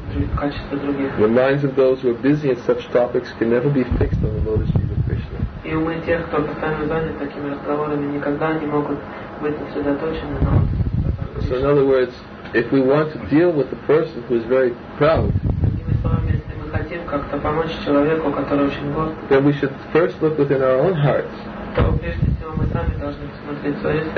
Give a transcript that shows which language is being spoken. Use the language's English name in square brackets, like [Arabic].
[English] The minds of those who are busy in such topics can never be fixed on the lotus feet of Krishna. [Russian] И умы тех, кто постоянно занят такими разговорами, никогда не могут быть сосредоточены на Кришне. [English] So in other words, if we want to deal with a person who is very proud, [Russian] если мы хотим как-то помочь человеку, который очень горд, [English] then we should first look within our own hearts. [Russian] То прежде всего мы сами должны посмотреть свое сердце.